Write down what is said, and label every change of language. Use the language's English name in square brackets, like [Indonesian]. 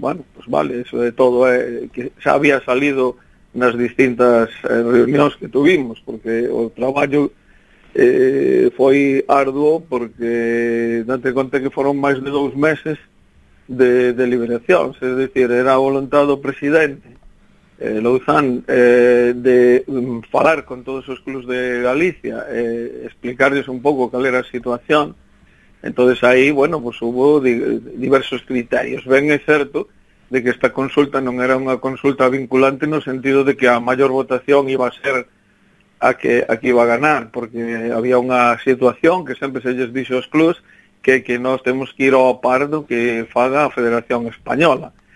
[Spanish] Bueno, pues vale, eso de todo [Galician] é que xa había salido nas distintas reunións que tuvimos, porque o traballo foi arduo, porque date conta que foron máis de 2 meses de deliberación, [Spanish] es decir, [Galician] era a voluntad do presidente Louzán de falar con todos os clubs de Galicia, explicarles un pouco cal era a situación. [Spanish] Entonces [Galician] aí, [Spanish] bueno, pues hubo diversos criterios. [Galician] Ben é certo de que esta consulta non era unha consulta vinculante no sentido de que a maior votación iba a ser a que iba a ganar, porque había unha situación que sempre se lles dixo aos clubs que nos temos que ir ao par do que faga a Federación Española.